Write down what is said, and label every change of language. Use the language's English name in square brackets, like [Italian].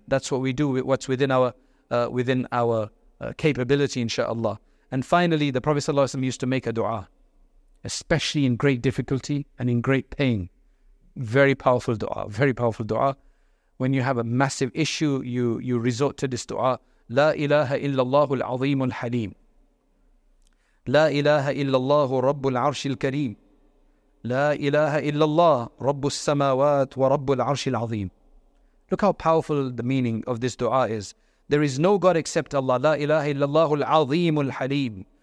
[English] That's what we do, what's within our capability, inshallah. And finally, the Prophet ﷺ used to make a dua, especially in great difficulty and in great pain. Very powerful dua, very powerful dua. When you have a massive issue, you resort to this dua. [Arabic] لا إله إلا الله العظيم الحليم. لا إله إلا الله رب العرش الكريم. لا إله إلا الله رب السماوات ورب العرش العظيم. [English] Look how powerful the meaning of this dua is. There is no God except Allah. [Arabic] لا إله إلا الله العظيم الحليم.